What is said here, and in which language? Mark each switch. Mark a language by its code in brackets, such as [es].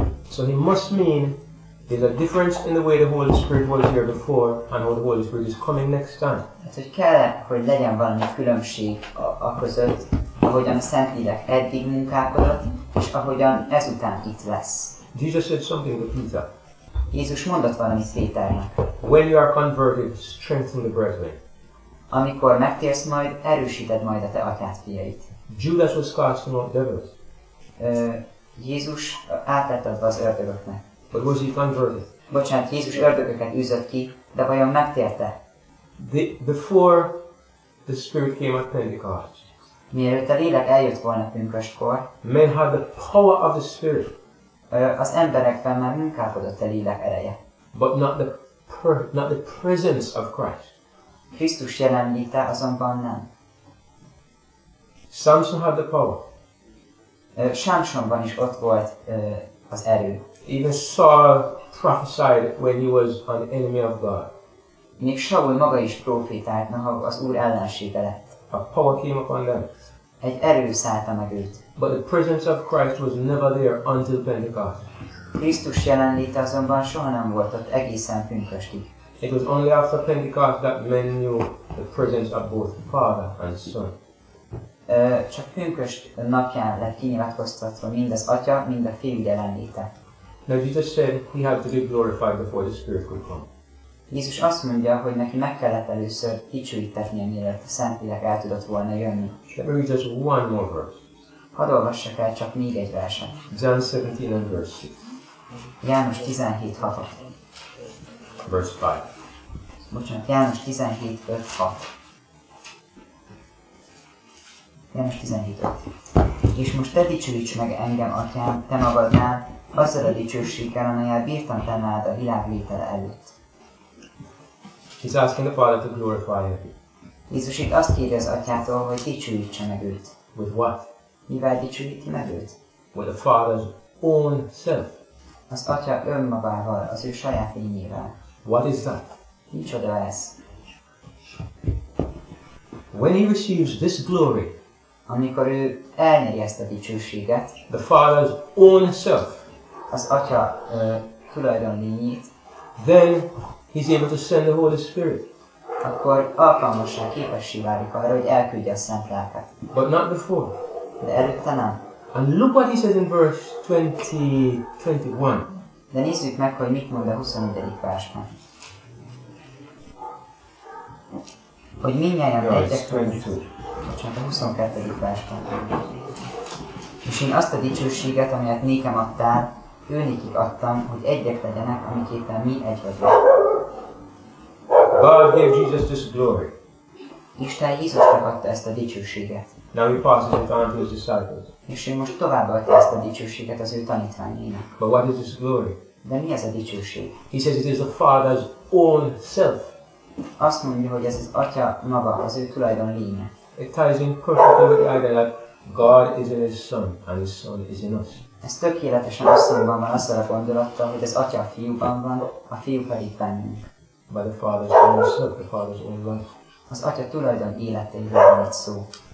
[en] So he must mean there's a difference in the way the Holy Spirit was here before and how the Holy Spirit is coming next time. [hu] Hát, hogy kell, hogy legyen valami különbség a között, ahogyan a Szent Lélek eddig munkálkodott, és ahogyan ezután itt lesz. [en] Jesus said something to Peter. [hu] Jézus mondott valamit Péternek. [en] When you are converted, strengthen the brethren. [hu] Amikor megtérsz majd, erősíted majd a te atyád fiait. [en] Judas was cast among devils. [hu] Jézus átlett adva az ördögöknek. [en] But was he converted? [hu] Bocsánat, Jézus ördögöket üzött ki, de vajon megtérte? [en] Before the Spirit came at Pentecost. [hu] Mielőtt a lélek eljött volna pünköstkor. [en] Men had the power of the Spirit. [hu] Az emberekben már munkálkodott a lélek ereje. [en] But not the presence of Christ. [hu] Krisztus jelenléte azonban nem. [en] Samson had the power. [hu] Samsonban is ott volt az erő. [en] Even Saul prophesied when he was an enemy of God. [hu] Még Saul maga is prófétált, noha az Úr ellensége lett. [en] A power came upon them. [hu] Egy erő szállta meg őt. [en] But the presence of Christ was never there until Pentecost. [hu] Krisztus jelenléte azonban soha nem volt ott egészen pünköstig. [en] It was only after Pentecost that men knew the presence of both the Father and Son. [hu] Csak pünköst napján lett kinyilatkoztatva mind az Atya, mind a Fiú jelenléte. [en] Now Jesus said he had to be glorified before the Spirit could come. [hu] Jézus azt mondja, hogy neki meg kellett először dicsőítetnie, mielőtt a Szentlélek el tudott volna jönni. [en] Let me read just one more verse. [hu] Hadd olvassak el csak még egy verset. [en] John 17 and verse 6. [hu] János 17, 6. [en] Verse 5. [hu] Bocsánat, János 17, 5, 6. János 17, 5. És most te dicsőíts meg engem, Atyám, te magadnál, azzal a dicsőséggel, amelyel bírtam te nálad a világ létele előtt. [en] He's asking the Father to glorify him. [hu] Jézus itt azt kérje az Atyától, hogy dicsőítse meg őt. [en] With what? [hu] Mivel dicsőíti meg őt? [en] With the Father's own self. [hu] Az Atya önmagával, az ő saját lényével. [en] What is that? [hu] Micsoda ez? [en] When he receives this glory, [hu] amikor ő elnyeri ezt a dicsőséget, [en] the Father's own self, [hu] az Atya tulajdon lényét, [en] then he's able to send the Holy Spirit. [hu] Akkor alkalmassá, képessé válik arra, hogy elküldje a Szent Lelket. [en] But not before. [hu] De előtte nem. [en] And look what he says in verse 20-21. [hu] De nézzük meg, hogy mit mond a 24. versben. Hogy mindnyájan megyek tőle. Bocsánat, a 22. versben. És én azt a dicsőséget, amelyet nékem adtál, őnékig adtam, hogy egyek legyenek, amiképpen mi egy vagyunk. [en] God gave Jesus this glory. [hu] Isten Jézusnak adta ezt a dicsőséget. [en] Now he passes it on to his disciples. [hu] És ő most továbbadja ezt a dicsőséget az ő tanítványainak. [en] But what is this glory? [hu] De mi ez a dicsőség? [en] He says it is the Father's own self. [hu] Azt mondja, hogy ez az Atya maga, az ő tulajdon lénye. [en] It ties in perfectly with the idea that God is in His Son, and His Son is in us. [hu] Ez tökéletesen összhangban van azzal a gondolattal, hogy az Atya a Fiúban van, a Fiú pedig bennünk. [en] By the Father's own self, the Father's own life. [hu] Az Atya tulajdon életéről van itt szó.